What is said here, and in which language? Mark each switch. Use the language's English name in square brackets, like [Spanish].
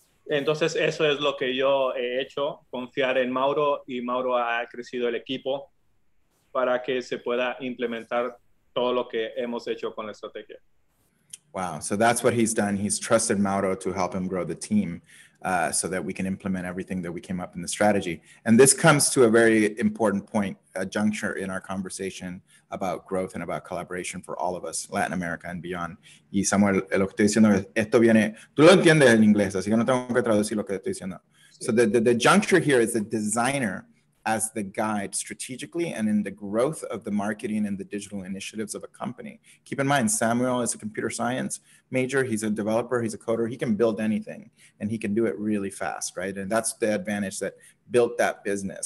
[Spanish] Entonces eso es lo que yo he hecho, confiar en Mauro y Mauro ha crecido el equipo para que se pueda implementar todo lo que hemos hecho con la estrategia. [English] Wow, so that's what he's done. He's trusted Mauro to help him grow the team so that we can implement everything that we came up in the strategy. And this comes to a very important point, a juncture in our conversation about growth and about collaboration for all of us, Latin America and beyond. [Spanish] Y Samuel, lo que estoy diciendo es, esto viene, tú lo entiendes en inglés, así que no tengo que traducir lo que estoy diciendo. [English] So the juncture here is the designer as the guide strategically and in the growth of the marketing and the digital initiatives of a company. Keep in mind, Samuel is a computer science major. He's a developer, he's a coder. He can build anything and he can do it really fast, right? And that's the advantage that built that business.